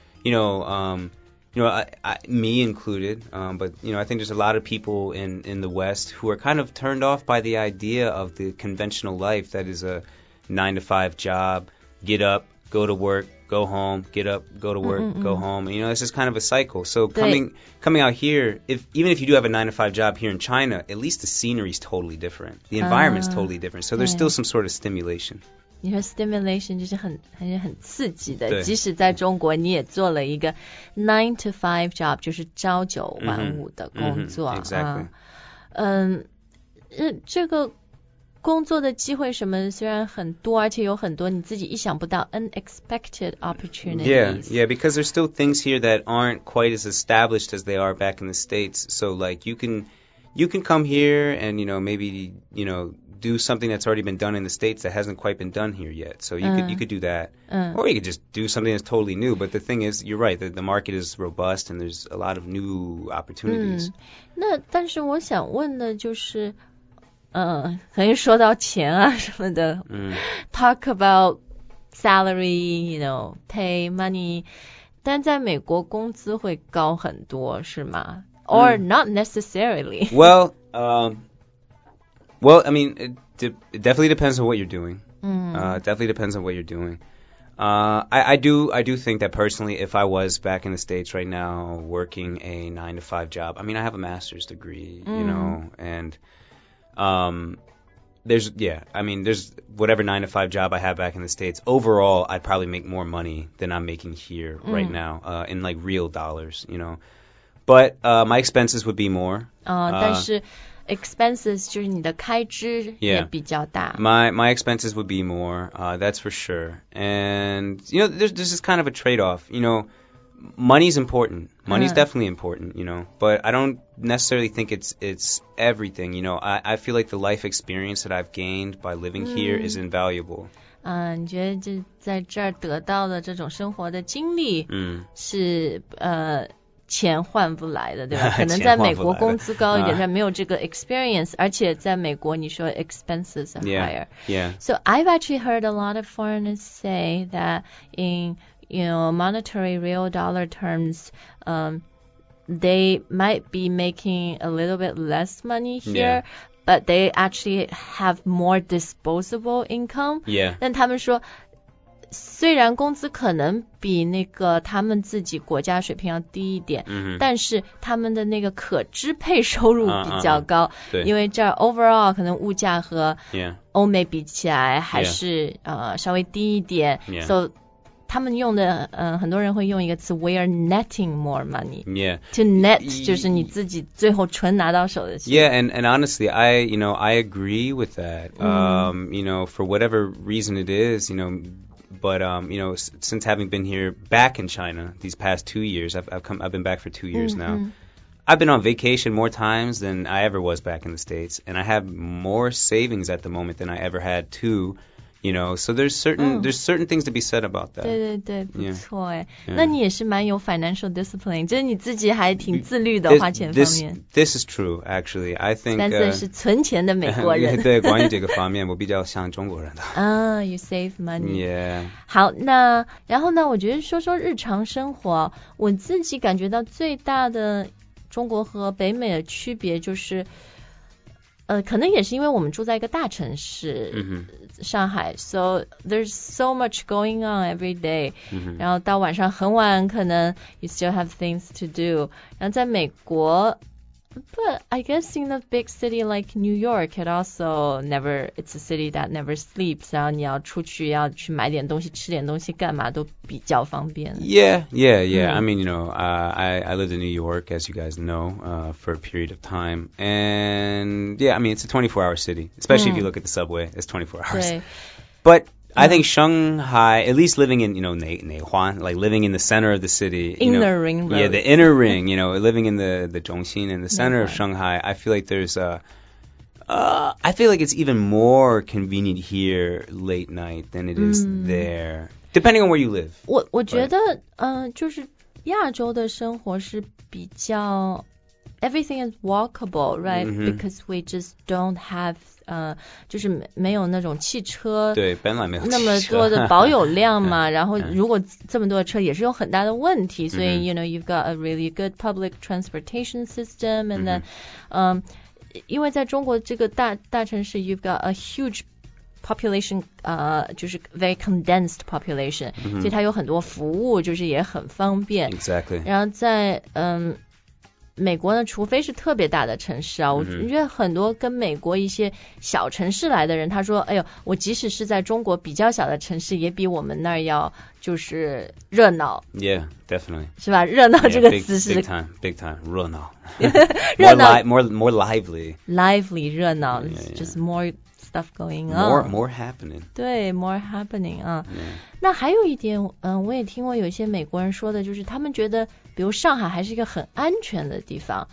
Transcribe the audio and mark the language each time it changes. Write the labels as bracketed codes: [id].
[en] You know, me included, but, you know, I think there's a lot of people in the West who are kind of turned off by the idea of the conventional life that is a 9-to-5 job, get up, go to work, go home, get up, go to work, mm-hmm. go home. And, you know, it's just kind of a cycle. So coming out here, even if you do have a 9-to-5 job here in China, at least the scenery is totally different. The environment is totally different. So there's still some sort of stimulation. [zh] 你说 stimulation 就是很刺激的。即使在中国你也做了一个 9-to-5 job, 就是朝九晚五的工作。 [en] Mm-hmm, exactly. [zh] 这个工作的机会什么虽然很多而且有很多你自己意想不到 [en] unexpected opportunities. Yeah, yeah, because there's still things here that aren't quite as established as they are back in the States. So like you can come here and you know maybe you know do something that's already been done in the States that hasn't quite been done here yet. So you could do that. Or you could just do something that's totally new. But the thing is, you're right, the market is robust and there's a lot of new opportunities. [zh] 那但是我想问的就是等于说到钱啊什么的、 [en] talk about salary, you know, pay, money, [zh] 但在美国工资会高很多是吗 [en] or、not necessarily. Well,、well, I mean, it definitely depends on what you're doing.、definitely depends on what you're doing.、I do think that personally, if I was back in the States right now working a 9-to-5 job, I mean, I have a master's degree,、you know, and... there's whatever 9-to-5 job I have back in the States, overall, I'd probably make more money than I'm making here right now, in like real dollars, you know. But, my expenses would be more. [zh] 但是 expenses 就是你的开支也比较大。 [en] My expenses would be more, that's for sure. And, you know, there's just kind of a trade-off, you know. Money's important. Money's definitely important, you know. But I don't necessarily think it's everything, you know. I feel like the life experience that I've gained by living here is invaluable. [zh] 你觉得这在这儿得到的这种生活的经历是钱换不来的，对吧？可能在美国工资高一点，但没有这个 experience. 而且在美国你说 [en] expenses are higher. Yeah, yeah. So I've actually heard a lot of foreigners say that in... You know, monetary real dollar terms, they might be making a little bit less money here, but they actually have more disposable income. Yeah. [zh] 但他们说，虽然工资可能比那个他们自己国家水平要低一点，但是他们的那个可支配收入比较高，因为这儿 overall 可能物价和欧美比起来还是稍微低一点，so. 他们用的很多人会用一个词 [en] we are netting more money. Yeah. To net [zh] 就是你自己最后纯拿到手的钱。 [en] Yeah, and honestly, I agree with that. You know, for whatever reason it is, you know, but you know, since having been here back in China these past 2 years, I've been back for 2 years now. I've been on vacation more times than I ever was back in the States, and I have more savings at the moment than I ever had too. You know, so there's certain things to be said about that. [zh] 对对对，不错哎。那你也是蛮有 [en] financial discipline， [zh] 就是你自己还挺自律的花钱方面。 [en] This is true, actually. I think. [zh] 但是存钱的美国人。对，关于这个方面，我比较像中国人的。 [en] You save money. Yeah. [zh] 好，那然后呢？我觉得说说日常生活，我自己感觉到最大的中国和北美的区别就是。可能也是因为我们住在一个大城市、上海 [en] so there's so much going on every day、 [zh] 然后到晚上很晚可能 [en] you still have things to do [zh] 然后在美国 [en] but I guess in a big city like New York it also never it's a city that never sleeps [zh] 然后你要出去要去买点东西吃点东西干嘛都比较方便 [en] yeah、I mean you know、I lived in New York as you guys know、for a period of time and yeah I mean it's a 24-hour city especially、if you look at the subway it's 24 hours but I think Shanghai, at least living in, you know, Neihuan, like living in the center of the city. Inner ring road. Yeah, the inner ring, you know, living in the Zhongxin, in the center of Shanghai, I feel like there's a... I feel like it's even more convenient here late night than it is there, depending on where you live. [zh] 我觉得就是亚洲的生活是比较 [en] everything is walkable, right? Mm-hmm. Because we just don't have [zh] 就是没有那种汽车，对，本来没有汽车那么多的保有量嘛。然后如果这么多车也是有很大的问题，所以 [en] you know you've got a really good public transportation system, and then [zh] 因为在中国这个大城市 [en] you've got a huge population [zh] 就是 [en] very condensed population、mm-hmm. [zh] 所以它有很多服务就是也很方便 [en] exactly [zh] 然后在美国呢除非是特别大的城市啊、mm-hmm. 我觉得很多跟美国一些小城市来的人他说哎呦我即使是在中国比较小的城市也比我们那儿要就是热闹 [en] yeah definitely [zh] 是吧热闹这个词是 [en] yeah, big time 热闹 [zh] 热闹 [en] more lively 热闹 yeah, yeah. just more stuff going on more happening 对 more happening 啊、 yeah. [zh] 那还有一点我也听过有些美国人说的就是他们觉得比如上海还是一个很安全的地方